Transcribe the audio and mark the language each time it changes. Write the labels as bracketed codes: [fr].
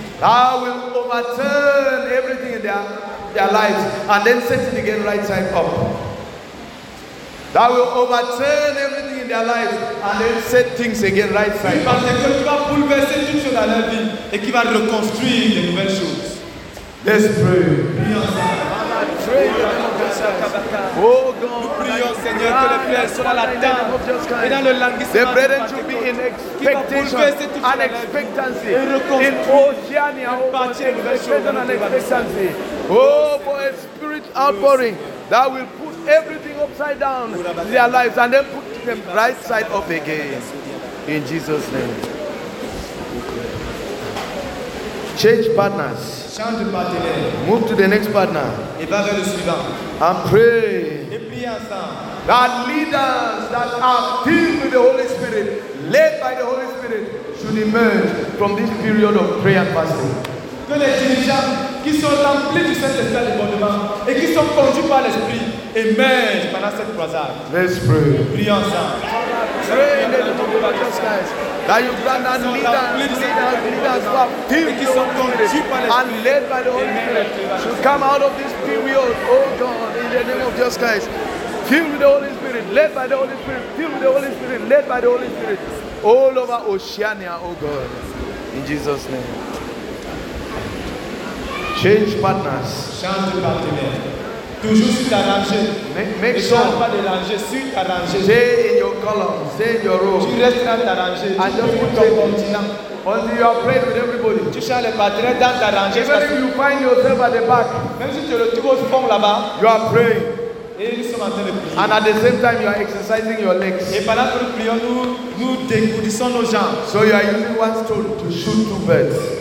[en] That will overturn everything in their lives and then set it again right side up. That will overturn everything in their lives and then set things again right side up. [fr] Une Pentecôte qui va bouleverser tout ce dans leur vie et qui va reconstruire les nouvelles choses. [en] Let's pray. Oh God, [fr] nous prions, Seigneur, que le prière soit dans l'attente et dans le languissement. [en] The brethren should be in expectation and expectancy. In Oceania, in expectation and expectancy. Oh, for a spirit outpouring that will put everything upside down in their lives and then put them right side up again. In Jesus' name. Change partners. Change partner. Move to the next partner. [fr] Et va vers le suivant. [en] And pray. [fr] Et prie ensemble. [en] That leaders that are filled with the Holy Spirit, led by the Holy Spirit, should emerge from this period of prayer and fasting. [fr] Que les dirigeants qui sont emplis du Saint-Esprit à l'ébordement et qui sont conduits par l'Esprit émergent pendant cette croisade. [en] Let's pray. [fr] Prions ensemble. [en] Pray in the name of Jesus Christ. That you grant that leaders who are filled with the Holy Spirit and led by the Holy Spirit should come out of this period, oh God, in the name of Jesus Christ. Filled with the Holy Spirit, led by the Holy Spirit, filled with the Holy Spirit, led by the Holy Spirit, all over Oceania, oh God, in Jesus' name. Change partners. Change partners. [fr] Toujours suis arrangé. [en] Make sure. Stay in your column. Stay in your row. [fr] Tu restes dans ta rangée. [en] And just put your continent. Only you are praying with everybody. [fr] Tu changes les partenaires dans ta rangée. [en] Even if you find yourself at the back. [fr] Même si tu le trouves au fond là-bas. [en] You are praying. [fr] Et nous sommes en train de prier. [en] And at the same time, you are exercising your legs. [fr] Et pendant que nous prions, nous dégourdissons nos jambes. [en] So you are using one stone to shoot two birds.